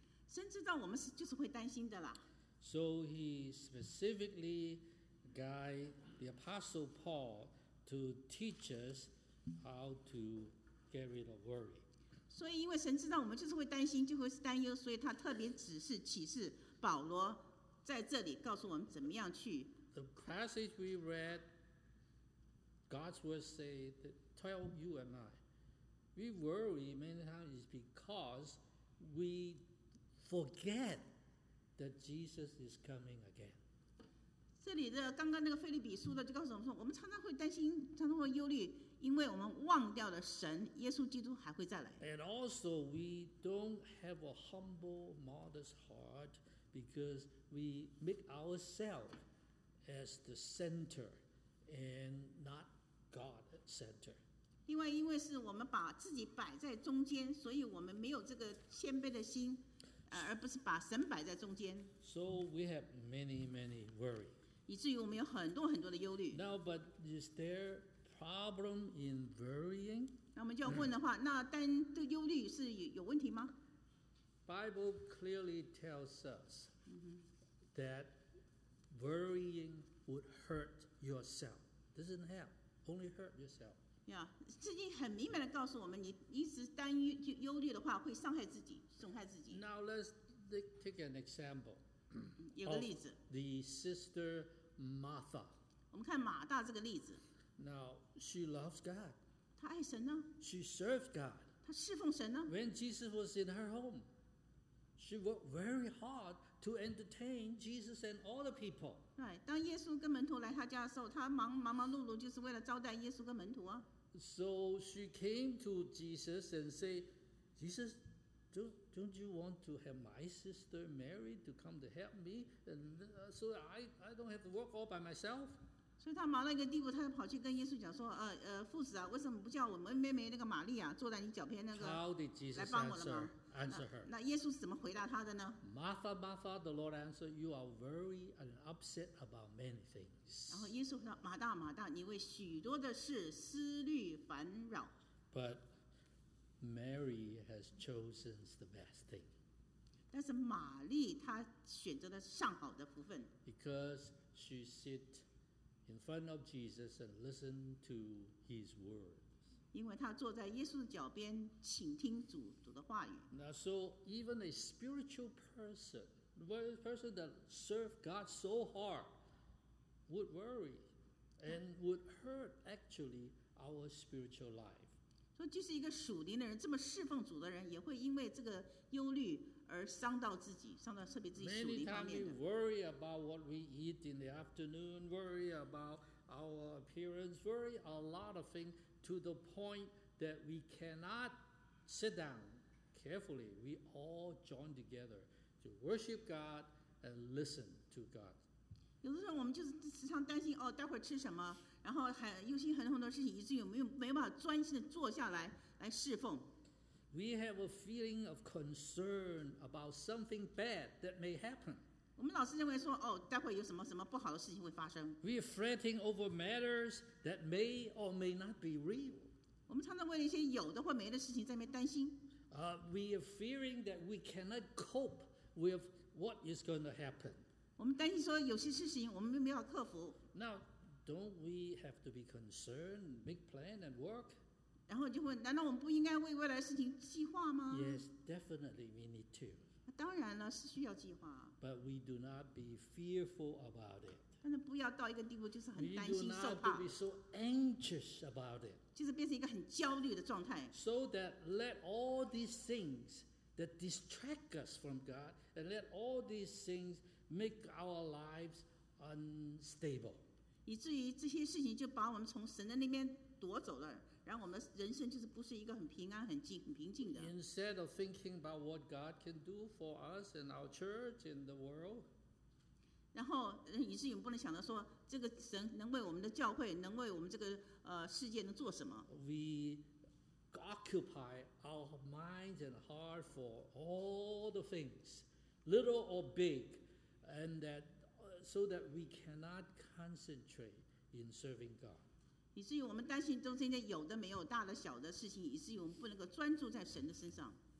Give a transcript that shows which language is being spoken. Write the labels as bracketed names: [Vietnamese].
[Chinese] 神知道我们是就是会担心的啦。 [English] So he specifically guided the Apostle Paul to teach us how to get rid of worry. [Chinese] 所以因为神知道我们就是会担心，就会担忧，所以他特别指示启示保罗在这里告诉我们怎么样去。 [English] The passage we read, God's word say, tell you and I, we worry many times is because we forget that Jesus is coming again. [Chinese] 这里的刚刚那个腓立比书的就告诉我们说，我们常常会担心，常常会忧虑，因为我们忘掉了神耶稣基督还会再来。 [English] And also we don't have a humble, modest heart because we make ourselves as the center and not God center. [Chinese] 另外因为是我们把自己摆在中间，所以我们没有这个谦卑的心，而不是把神摆在中间。 [English] So we have many, many worries. [Chinese] 以至于我们有很多很多的忧虑。 [English] Now, but is there problem in worrying? [Chinese] 那我们就要问的话，那但这忧虑是有问题吗？ [English] Bible clearly tells us that worrying would hurt yourself. Doesn't help, only hurt yourself. Yeah, [Chinese] 圣经很明白的告诉我们，你一直担忧忧虑的话，会伤害自己，损害自己。 [English] Now let's take an example. [Chinese] 有个例子。 [English] The sister Martha. [Chinese] 我们看马大这个例子。 [English] Now she loves God. [Chinese] 她爱神呢。 [English] She serves God. [Chinese] 她侍奉神呢。 [English] When Jesus was in her home, she worked very hard to entertain Jesus and all the people. Right, [Chinese] 当耶稣跟门徒来她家的时候，她忙碌就是为了招待耶稣跟门徒啊。 [English] So she came to Jesus and said, Jesus, don't you want to have my sister Mary to come to help me? And so I don't have to work all by myself. [Chinese] 所以她忙到一个地步，她就跑去跟耶稣讲说，父子啊，为什么不叫我们妹妹那个玛利亚坐在你脚边那个来帮我了吗？ [English] Answer her. [Chinese] 那耶稣是怎么回答她的呢？ [English] Martha, Martha, the Lord answered, you are worried and upset about many things. [Chinese] 然后耶稣说，马大，马大，你为许多的事思虑烦扰。 [English] But Mary has chosen the best thing. [Chinese] 但是玛丽她选择了上好的福分。 [English] Because she sit in front of Jesus and listen to his word. [Chinese] 因为她坐在耶稣的脚边，倾听主的话语。 [English] Now, so even a spiritual person, a person that served God so hard, would worry and would hurt actually our spiritual life. [Chinese] 所以就是一个属灵的人，这么侍奉主的人，也会因为这个忧虑而伤到自己，伤到特别自己属灵方面的。 [English] Many times we worry about what we eat in the afternoon, worry about our appearance, worry a lot of things to the point that we cannot sit down carefully. We all join together to worship God and listen to God. [Chinese] 有的时候我们就是时常担心，哦，待会儿吃什么，然后还忧心很多事情，以至于没办法专心的坐下来侍奉。 [English] We have a feeling of concern about something bad that may happen. [Chinese] 我们老是认为说，哦，待会有什么什么不好的事情会发生。 [English] We are fretting over matters that may or may not be real. [Chinese] 我们常常为了一些有的或没的事情在那边担心。 [English] We are fearing that we cannot cope with what is going to happen. [Chinese] 我们担心说有些事情我们没有克服。 [English] Now, don't we have to be concerned, make plan and work? [Chinese] 然后就问，难道我们不应该为未来的事情计划吗？ [English] Yes, definitely we need to. [Chinese] 当然了，是需要计划。 [English] But we do not be fearful about it. [Chinese] 但是不要到一个地步，就是很担心受怕。 [English] We do not be so anxious about it. [Chinese] 就是变成一个很焦虑的状态。 [English] So that let all these things that distract us from God, and let all these things make our lives unstable. 以至于这些事情就把我们从神的那边夺走了。 [Chinese] 然后我们人生就是不是一个很平安、很平静的。 [English] Instead of thinking about what God can do for us and our church and the world, [Chinese] 然后以至于不能想到说这个神能为我们的教会、能为我们这个世界能做什么。 [English] We occupy our minds and heart for all the things, little or big, and that so that we cannot concentrate in serving God. [Chinese] 以至于我们担心中间有的没有大的小的事情，以至于我们不能够专注在神的身上。